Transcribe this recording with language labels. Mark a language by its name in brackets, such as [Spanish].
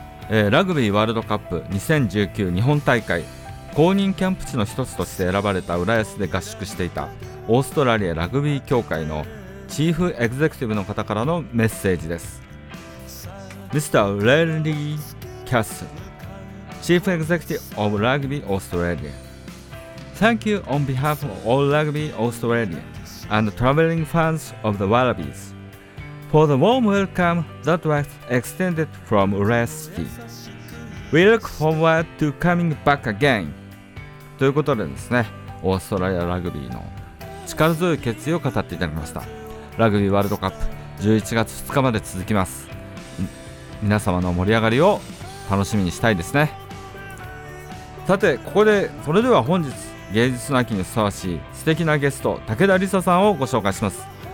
[Japanese] ラグビーワールドカップ2019日本大会公認キャンプ地の一つとして選ばれた浦安で合宿していたオーストラリアラグビー協会のチーフエグゼクティブの方からのメッセージです。ミスター・レイリー・キャッスル、チーフエグゼクティブ・オブ・ラグビー・オーストラリア。 [English] Thank you on behalf of all rugby Australia and traveling fans of the Wallabies for the warm welcome that was extended from 浦安 City. We look forward to coming back again. [Japanese] ということでですね、オーストラリアラグビーの力強い決意を語っていただきました。ラグビーワールドカップ11月2日まで続きます。皆様の盛り上がりを楽しみにしたいですね。さて、ここでそれでは本日芸術の秋にふさわしい素敵なゲスト武田理沙さんをご紹介します。